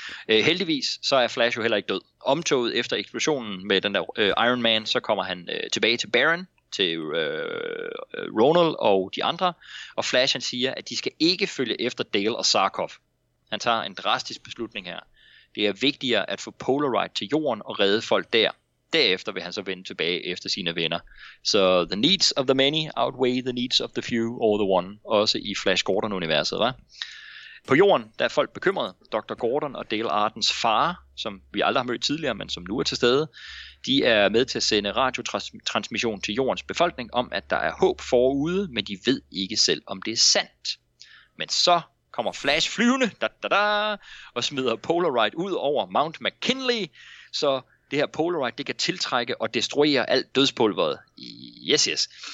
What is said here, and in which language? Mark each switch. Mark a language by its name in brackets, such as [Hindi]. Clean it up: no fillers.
[Danish] Heldigvis så er Flash jo heller ikke død. Omtoget efter eksplosionen med den der Iron Man, så kommer han tilbage til Baron, til Ronald og de andre, og Flash han siger, at de skal ikke følge efter Dale og Sarkov. Han tager en drastisk beslutning her. Det er vigtigere at få Polaroid til jorden og redde folk der. Derefter vil han så vende tilbage efter sine venner. Så [English] the needs of the many outweigh the needs of the few or the one, [Danish] også i Flash Gordon-universet, hva'? På jorden der er folk bekymrede. Dr. Gordon og Dale Ardens far, som vi aldrig har mødt tidligere, men som nu er til stede, de er med til at sende radiotransmission til jordens befolkning om, at der er håb forude, men de ved ikke selv, om det er sandt. Men så kommer Flash flyvende, da-da-da, og smider Polaroid ud over Mount McKinley, så det her Polaroid, det kan tiltrække og destruere alt dødspulveret. Yes, yes.